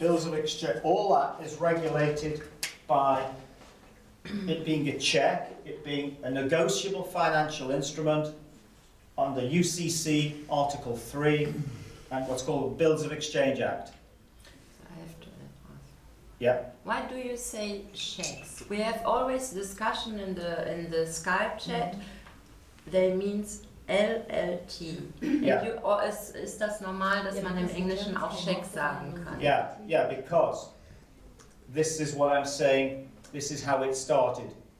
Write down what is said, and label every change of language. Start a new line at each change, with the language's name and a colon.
English: Bills of exchange, all that is regulated by it being a check, it being a negotiable financial instrument under UCC Article 3 and what's called the Bills of Exchange Act. I have to ask. Yeah. Why do you say checks? We have always discussion in the Skype chat, mm-hmm. They mean LLT. Yeah.
German: Ist das normal, dass man im Englischen auch Scheck sagen kann?
English: Yeah, because this is what I'm saying, this is how it started.